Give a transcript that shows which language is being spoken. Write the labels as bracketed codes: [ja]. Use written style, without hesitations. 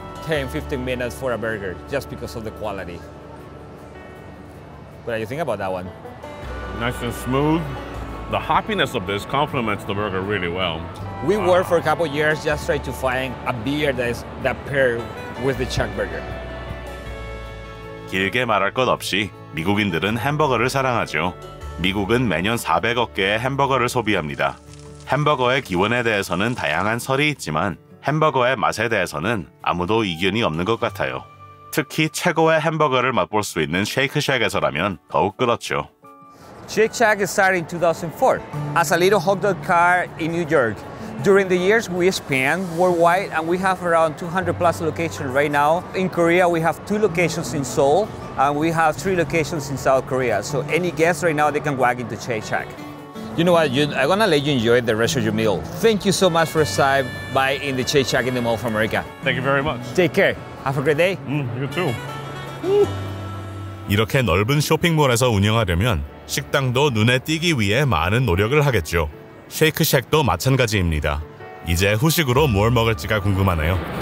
[en] 10, 15 minutes for a burger, just because of the quality. What do you think about that one? Nice and smooth. The hoppiness of this complements the burger really well. We worked for a couple years just trying to find a beer that paired with the Shack burger. [ko] 길게 말할 것 없이 미국인들은 햄버거를 사랑하죠. 미국은 매년 400억 개의 햄버거를 소비합니다. 햄버거의 기원에 대해서는 다양한 설이 있지만 햄버거의 맛에 대해서는 아무도 이견이 없는 것 같아요. 특히 최고의 햄버거를 맛볼 수 있는 쉐이크샥에서라면 더욱 그렇죠. [en] Shake Shack started in 2004 as a little hot dog car in New York. During the years, we expand worldwide, and we have around 200 plus locations right now. In Korea, we have 2 locations in Seoul, and we have 3 locations in South Korea. So any guests right now, they can walk into Shake Shack. You know what, I'm gonna let you enjoy the rest of your meal. Thank you so much for stopping by in the Shake Shack in the Mall of America. Thank you very much. Take care. Have a great day. You too. [ko] 이렇게 넓은 쇼핑몰에서 운영하려면 식당도 눈에 띄기 위해 많은 노력을 하겠죠. 쉐이크쉑도 마찬가지입니다. 이제 후식으로 뭘 먹을지가 궁금하네요.